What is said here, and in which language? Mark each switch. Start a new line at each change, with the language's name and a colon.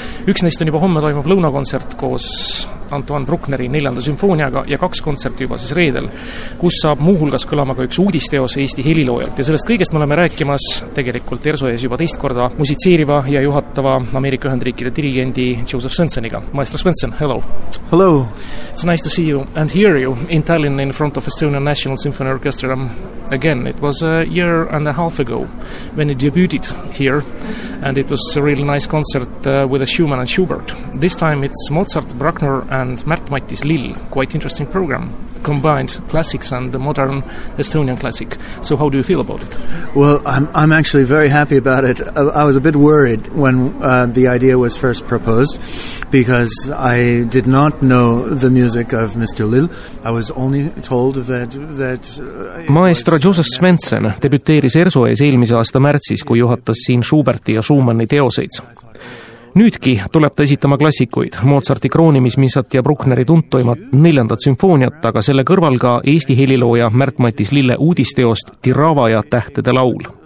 Estonian: Üks neist on juba homme toimub lõunakontsert koos Antoine Bruckneri neljanda sümfooniaga ja kaks kontserti juba siis reedel, kus saab muuhulgas kõlama ka üks uudisteos Eesti heliloojalt. Ja sellest kõigest me oleme rääkimas tegelikult Erso ees juba teist korda musitseeriva ja juhatava Ameerika Ühendriikide dirigendi Joseph Svenssoniga.
English: Maestro Svensson, hello. Hello. It's nice to see you and hear you in Tallinn in front of Estonian National Symphony Orchestra. Again, it was a year and a half ago when it debuted here, and it was a really nice concert with Schumann and Schubert. This time it's Mozart, Bruckner and Märt-Mattis Lill. Quite interesting program, combined classics and the modern Estonian classic. So how do you feel about it? Well, I'm actually very happy about it. I was a bit worried when the idea was first proposed, because I did not know the music of Mr. Lill. I was only told that
Estonian: Maestro Joseph Svensson debüteeris Erso ees eelmise aasta märtsis, kui juhatas siin Schuberti ja Schumanni teoseid. Nüüdki tuleb ta esitama klassikuid, Mozarti kroonimismissat ja Bruckneri tuntoimat neljandat sümfooniat, aga selle kõrval ka Eesti helilooja Märt-Mattis Lille uudisteost Tirava ja tähtede laul.